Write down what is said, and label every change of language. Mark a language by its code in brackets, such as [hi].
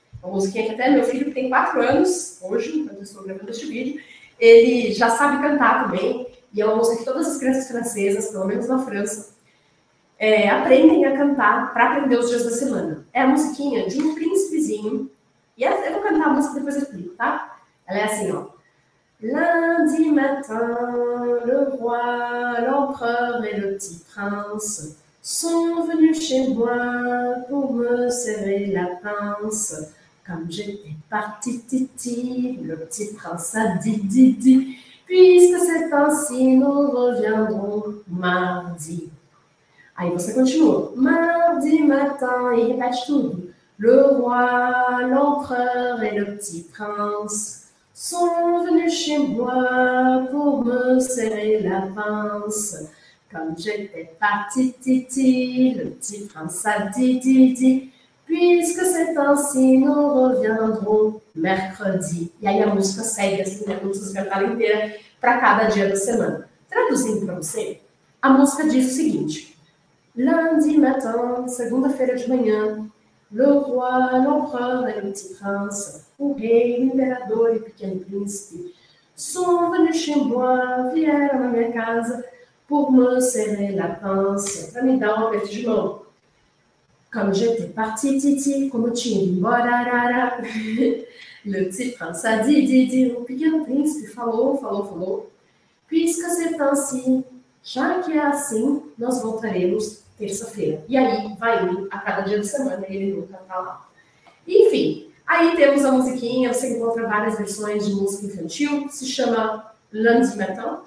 [pt] Uma musiquinha que até meu filho, que tem 4 anos, hoje, enquanto eu estou gravando este vídeo, ele já sabe cantar também, e é uma música que todas as crianças francesas, pelo menos na França, aprendem a cantar para aprender os dias da semana. É a musiquinha de um príncipezinho, e eu vou cantar a música e depois eu explico, tá? Ela é assim, ó. [fr] Lundi matin, le roi, l'empereur et le petit prince sont venus chez moi pour me serrer la pince. Comme j'étais parti titi, le petit prince a dit didi, puisque c'est ainsi, nous reviendrons mardi. [pt] Aí você continua. [fr] Mardi matin, et répète tout. Le roi, l'empereur et le petit prince sont venus chez moi pour me serrer la pince. Comme j'étais parti titi, le petit prince a dit didi, puisque c'est ainsi, nous reviendrons mercredi. [pt] E aí a música segue assim, né? Vamos cantar inteira para cada dia da semana. Traduzindo para você, a música diz o seguinte. [fr] Lundi matin, [pt] segunda-feira de manhã, [fr] le roi, l'empereur et le petit prince, [pt] o rei, o imperador e o pequeno príncipe, [fr] sont venus chez moi, [pt] vieram à minha casa, [fr] pour me serrer la pince, [pt] para me dar um aperto de mão. [fr] Comme j'étais parti, titi, comme tu es embora, rara. Le petit prince a dit, dit, [pt] dit, o pequeno príncipe falou, falou, falou. [fr] Puisque c'est ainsi, [pt] já que é assim, nós voltaremos terça-feira. E aí vai ele a cada dia da semana e ele nunca tá lá. Enfim, aí temos a musiquinha, você encontra várias versões de música infantil, se chama Lundi Matin.